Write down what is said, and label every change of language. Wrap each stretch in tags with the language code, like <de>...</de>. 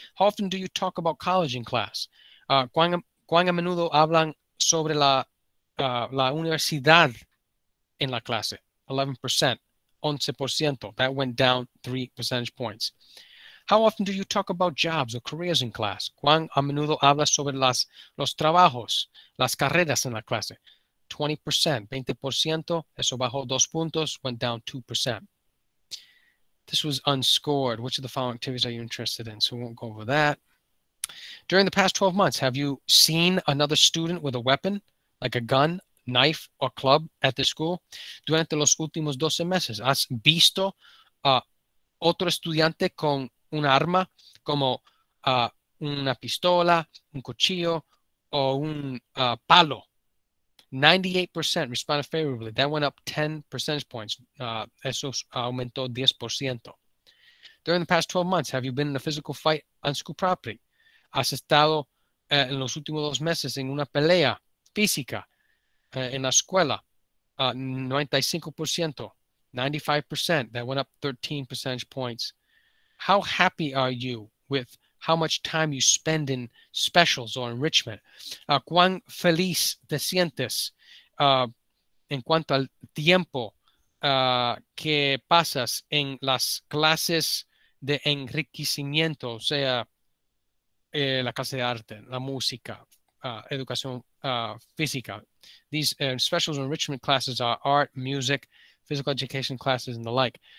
<en>How often do you talk about college in class?</en> <es>¿Cuán a menudo hablan sobre la universidad en la clase?</es> <en>11%. 11%. That went down 3 percentage points. How often do you talk about jobs or careers in class?</en> <es>¿Cuán a menudo hablas sobre los trabajos, las carreras en la clase? 20%, 20%, eso bajó 2 puntos,</es> <en>went down 2%. This was unscored. Which of the following activities are you interested in? So we won't go over that. During the past 12 months, have you seen another student with a weapon, like a gun, knife, or club at the school?</en> <es>Durante los últimos 12 meses, ¿has visto otro estudiante con un arma, como una pistola, un cuchillo, o un palo?</es> <en>98% responded favorably. That went up 10 percentage points.</en> <es>Eso aumentó 10%.</es> <en>During the past 12 months, have you been in a physical fight on school property?</en> <es>¿Has estado en los últimos 2 meses en una pelea física en la escuela?</es> <en>95%, 95%. That went up 13 percentage points. How happy are you with how much time you spend in specials or enrichment?</en> <es>¿Cuán feliz te sientes en cuanto al tiempo que pasas en las clases de enriquecimiento, o sea, la clase de arte, la música, educación física?</es> <en>These specials and enrichment classes are art, music, physical education classes, and the like.</en>